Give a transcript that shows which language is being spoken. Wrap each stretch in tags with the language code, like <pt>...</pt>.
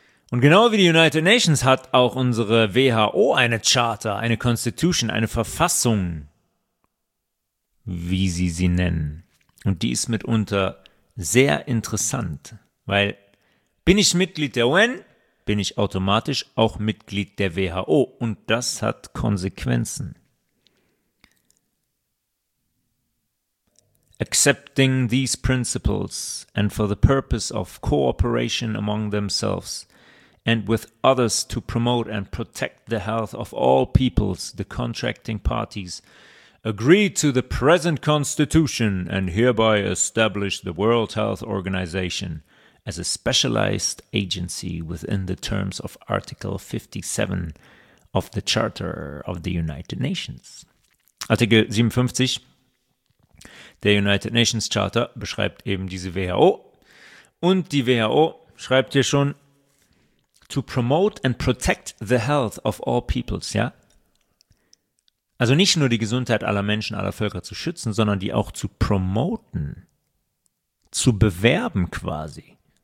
<de>Und genau wie die United Nations hat auch unsere WHO eine Charter, eine Constitution, eine Verfassung, wie sie sie nennen. Und die ist mitunter sehr interessant, weil bin ich Mitglied der UN, bin ich automatisch auch Mitglied der WHO. Und das hat Konsequenzen.</de> <en>Accepting these principles and for the purpose of cooperation among themselves and with others to promote and protect the health of all peoples, the contracting parties agree to the present constitution and hereby establish the World Health Organization as a specialized agency within the terms of Article 57 of the Charter of the United Nations.</en> <de>Artikel 57 der United Nations Charter beschreibt eben diese WHO. Und die WHO schreibt hier schon,</de> <en>to promote and protect the health of all peoples,</en> <de>ja? Also nicht nur die Gesundheit aller Menschen, aller Völker zu schützen, sondern die auch zu promoten, zu bewerben quasi.</de>